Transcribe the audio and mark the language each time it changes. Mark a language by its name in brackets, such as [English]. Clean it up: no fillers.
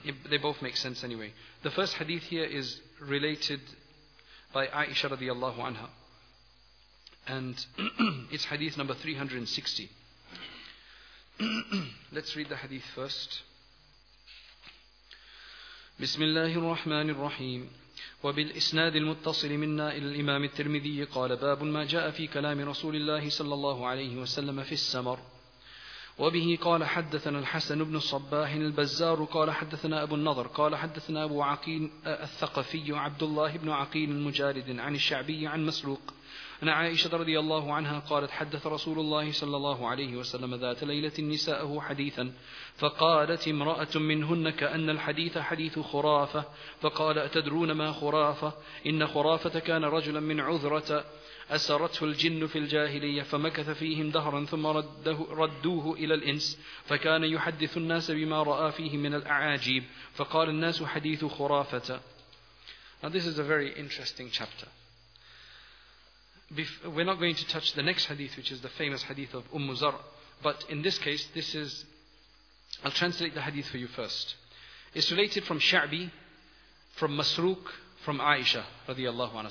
[English] They both make sense anyway. The first hadith here is related by Aisha radiallahu anha. And it's hadith number 360. Let's read the hadith first. Bismillahir Rahmanir Rahim. [Arabic] وبالإسناد المتصل منا إلى الإمام الترمذي قال باب ما جاء في كلام رسول الله صلى الله عليه وسلم في السمر وبه قال حدثنا الحسن بن الصباح البزار قال حدثنا أبو النضر قال حدثنا أبو عقيل الثقفي عبد الله بن عقيل المجارد عن الشعبي عن مسروق عن عائشة رضي الله عنها قالت حدث رسول الله صلى الله عليه وسلم ذات ليلة نساءه حديثا فقالت امرأة منهن كأن الحديث حديث خرافة فقال أتدرون ما خرافة إن خرافة كان رجلا من عذرة أسرته الجن في الجاهلية فمكث فيهم دهرا ثم ردوه إلى الإنس فكان يحدث الناس بما رأى فيه من الأعاجيب فقال الناس حديث خرافة. [English] Now this is a very interesting chapter. We're not going to touch the next hadith, which is the famous hadith of Umm Zar, but in this case, I'll translate the hadith for you first. It's related from Sha'bi, from Masruq, from Aisha radiallahu anha.